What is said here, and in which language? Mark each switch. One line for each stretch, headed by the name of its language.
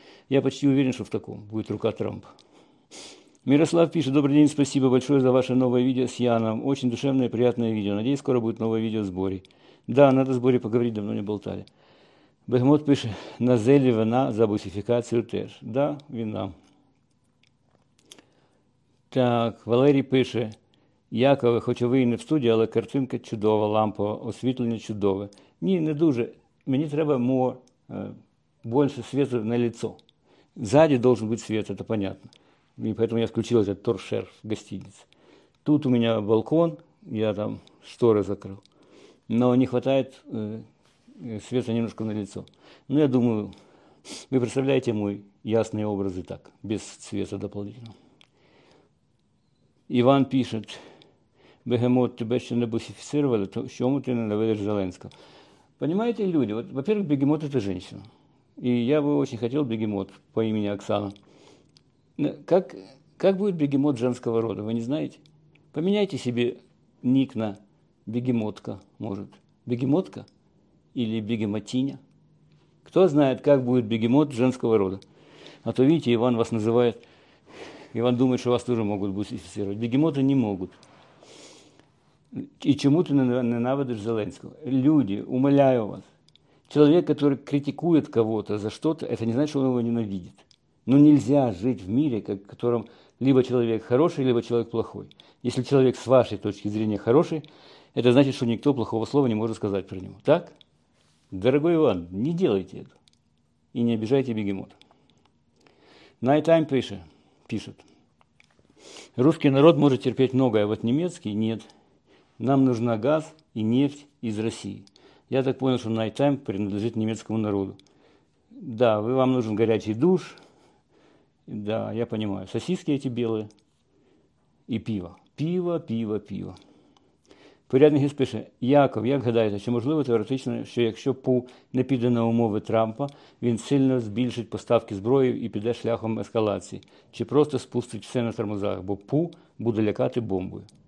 Russian: Я почти уверен, что в таком будет рука Трампа. Мирослав пишет, добрый день, спасибо большое за ваше новое видео с Яном. Очень душевное и приятное видео. Надеюсь, скоро будет новое видео с Борей. Да, надо с Борей поговорить, давно не болтали. Бегемот пишет,
Ukrainian: назели вина за бусификацию теж. Да, вина. Так, Валерій пише, Якове, хоч ви і не в студії, але картинка чудова, лампа, освітлення чудове. Ні, не дуже. Мені треба більше світу на лицо. Ззаді повинен бути світ, це понятно. І тому я включив цей торшер в гостиниці. Тут у мене балкон, я там штори закрив.
Russian: Но не хватает света немножко на лицо. Ну, я думаю, вы представляете мой ясные образы так, без света дополнительного.
Ukrainian: Іван пише, бегемот, тебе ще не бусифіцировали, то чому ти не ненавидиш Зеленського?
Russian: Понимаете, люди, вот, во-первых, бегемот – это женщина. И я бы очень хотел бегемот по имени Оксана. Как будет бегемот женского рода, вы не знаете? Поменяйте себе ник на бегемотка, может. Бегемотка или бегемотиня? Кто знает, как будет бегемот женского рода? А то, видите, Иван вас называет, Иван думает, что вас тоже могут бусифицировать. Бегемоты не могут. И чему ты ненавидишь Зеленского? Люди, умоляю вас, человек, который критикует кого-то за что-то, это не значит, что он его ненавидит. Но нельзя жить в мире, в котором либо человек хороший, либо человек плохой. Если человек с вашей точки зрения хороший, это значит, что никто плохого слова не может сказать про него. Так? Дорогой Иван, не делайте это. И не обижайте бегемота. Night Time пишет. Русский народ может терпеть многое, а вот немецкий – нет. Нам нужна газ и нефть из России. Я так понял, что Night Time принадлежит немецкому народу. Да, вам нужен горячий душ. Да, я понимаю. Сосиски эти белые и пиво. Пиво.
Ukrainian: Порядний гіст пише, Яков, як гадаєте, чи можливо теоретично, що якщо ПУ не піде на умови Трампа, він сильно збільшить поставки зброї і піде шляхом ескалації, чи просто спустить все на тормозах, бо ПУ буде лякати бомбою.